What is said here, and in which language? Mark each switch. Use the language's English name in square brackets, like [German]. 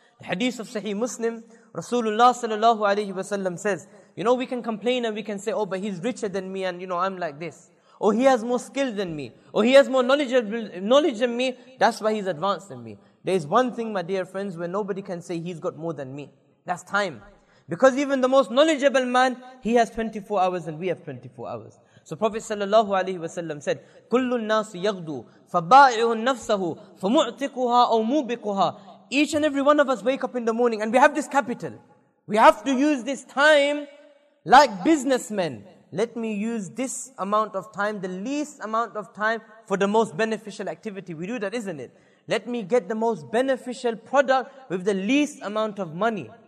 [English] The hadith of Sahih Muslim, Rasulullah sallallahu alayhi wa sallam says, you know, we can complain and we can say, oh, but he's richer than me and, you know, I'm like this. Or he has more skill than me. Or he has more knowledge than me. That's why he's advanced than me. There is one thing, my dear friends, where nobody can say he's got more than me. That's time. Because even the most knowledgeable man, he has 24 hours and we have 24 hours. So Prophet sallallahu alayhi wa sallam said, [Arabic] كُلُّ النَّاسُ يَغْدُو فَبَائِعُ النَّفْسَهُ فَمُعْتِقُهَا أَوْ مُوبِقُهَا. [English] Each and every one of us wake up in the morning and we have this capital. We have to use this time like businessmen. Let me use this amount of time, the least amount of time, for the most beneficial activity. We do that, isn't it? Let me get the most beneficial product with the least amount of money.